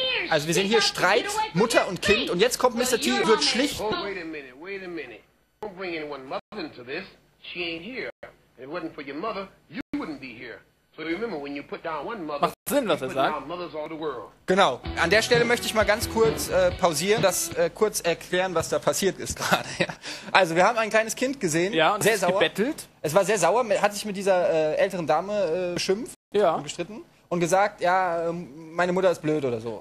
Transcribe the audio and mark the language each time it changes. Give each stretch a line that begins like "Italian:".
German: Also wir sehen hier Streit, Mutter und Kind. Und jetzt kommt Mr. T und wird schlicht.
English: Oh, wait a minute. Don't bring anyone mother into this. She ain't here. If it wasn't for your mother, you wouldn't be here. So remember, when you put down one mother,
German: macht Sinn, was er sagt. Genau. An der Stelle möchte ich mal ganz kurz pausieren, das kurz erklären, was da passiert ist gerade. Ja. Also wir haben ein kleines Kind gesehen. Ja, und sehr sauer. Gebettelt. Es war sehr sauer, hat sich mit dieser älteren Dame beschimpft und gestritten und gesagt, ja, meine Mutter ist blöd oder so.